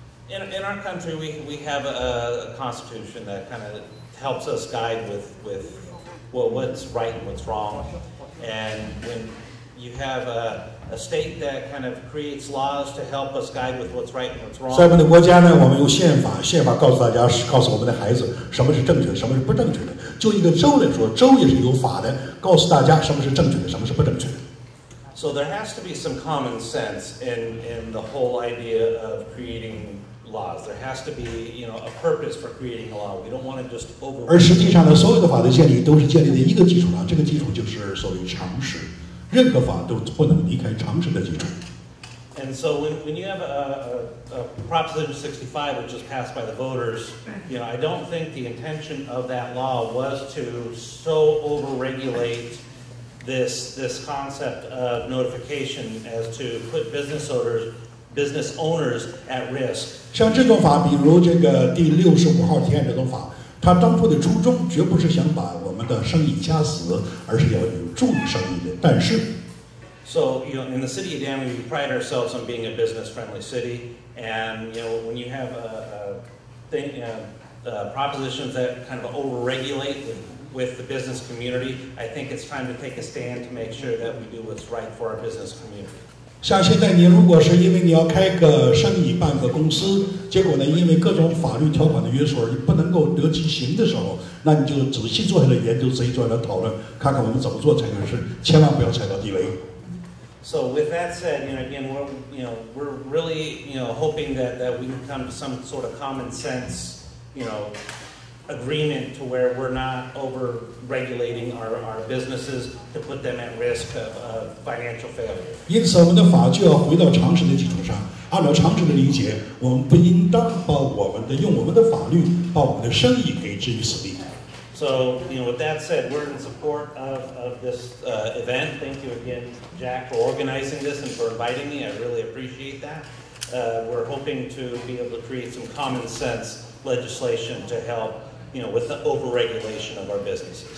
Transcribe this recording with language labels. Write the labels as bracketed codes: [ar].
[en] In our country, we have a constitution that kind of helps us guide with what's right and what's wrong. And when you have a state that kind of creates laws to help us guide with what's right and what's wrong. [zh] 在我们的国家呢，我们用宪法告诉大家，告诉我们的孩子什么是正确的，什么是不正确的。就一个州来说，州也是有法的，告诉大家什么是正确的，什么是不正确的。 [en] So there has to be some common sense in the whole idea of creating laws. There has to be, you know, a purpose for creating a law. We don't want to just over. [zh] 而实际上呢，所有的法的建立都是建立在一个基础上，这个基础就是所谓常识。任何法都不能离开常识的基础。 [en] And so when you have a Proposition 65 which was passed by the voters, you know, I don't think the intention of that law was to so overregulate. This concept of notification as to put business owners at risk. [zh] 像这种法，比如这个第六十五号提案这种法，它当初的初衷绝不是想把我们的生意掐死，而是要有助于生意的。但是 [en] ，So you know, in the city of Danville, we pride ourselves on being a business-friendly city, and you know, when you have a thing, propositions that kind of overregulate. With the business community, I think it's time to take a stand to make sure that we do what's right for our business community. [zh] 像现在，你如果是因为你要开个生意、办个公司，结果呢，因为各种法律条款的约束，你不能够得其行的时候，那你就仔细坐下来研究，仔细坐下来讨论，看看我们怎么做才能是，千万不要踩到地雷。 [en] So with that said, you know, again, we're really, you know, hoping that we can come to some sort of common sense, you know. Agreement to where we're not over regulating our businesses to put them at risk of financial failure. [zh] 因此，我们的法就要回到常识的基础上。按照常识的理解，我们不应当把我们的用我们的法律把我们的生意给置于死地。 [en] So, you know, with that said, we're in support of this event. Thank you again, Jack, for organizing this and for inviting me. I really appreciate that. We're hoping to be able to create some common sense. Legislation to help, you know, with the overregulation of our businesses.